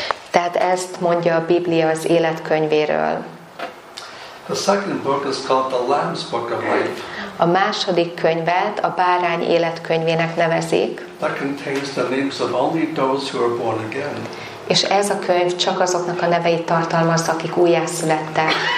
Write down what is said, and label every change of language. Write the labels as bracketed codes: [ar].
[hu] Tehát ezt mondja a Biblia az életkönyvéről. [en] The second book is called the Lamb's Book of Life. [hu] A második könyvet a bárány életkönyvének nevezik. [en] That contains the names of only those who are born again. [hu] És ez a könyv csak azoknak a neveit tartalmazza, akik újjászülettek.